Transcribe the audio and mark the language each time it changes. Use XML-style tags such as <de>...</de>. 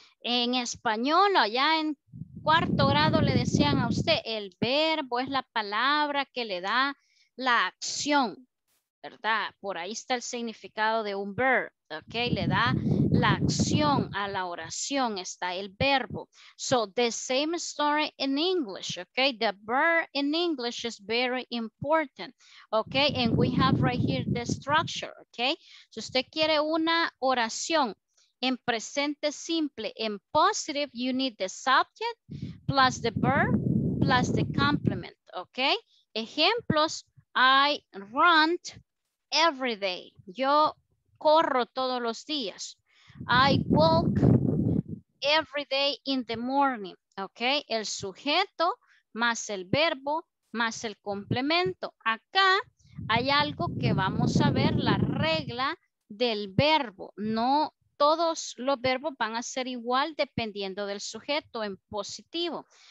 <es>En español, allá en cuarto grado le decían a usted, el verbo es la palabra que le da la acción, ¿verdad? Por ahí está el significado de un verb, okay? Le da la acción a la oración, está el verbo.</es> <en>So the same story in English, okay? The verb in English is very important, okay? And we have right here the structure, okay?</en> <es>Si usted quiere una oración en presente simple, en</es> <en>positive, you need the subject plus the verb plus the complement, okay? Ejemplos, I run every day.</en> <es>Yo corro todos los días.</es> <en>I walk every day in the morning, okay?</en> <es>El sujeto más el verbo más el complemento. Acá hay algo que vamos a ver, la regla del verbo. No todos los verbos van a ser igual dependiendo del sujeto en positivo.</es>